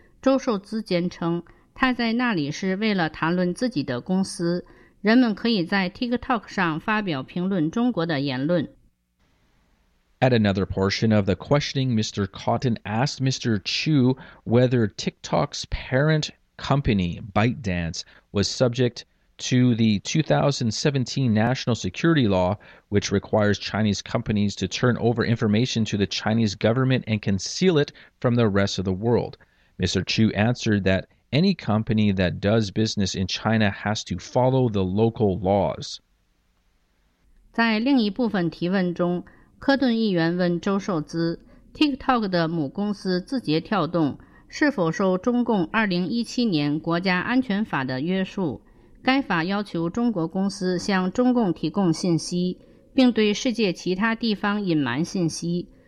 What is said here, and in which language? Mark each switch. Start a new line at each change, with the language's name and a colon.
Chinese: 周受资坚称他在那里是为了谈论自己的公司，人们可以在 TikTok 上发表评论中国的言论。
English: At another portion of the questioning, Mr. Cotton asked Mr. Chu whether TikTok's parent company, ByteDance, was subject to the 2017 national security law, which requires Chinese companies to turn over information to the Chinese government and conceal it from the rest of the world. Mr. Chu answered that any company that does business in China has to follow the local laws.
Chinese: 在另一部分提问中，柯顿议员问周受资 TikTok 的母公司字节跳动是否受中共2017年国家安全法的约束，该法要求中国公司向中共提供信息，并对世界其他地方隐瞒信息。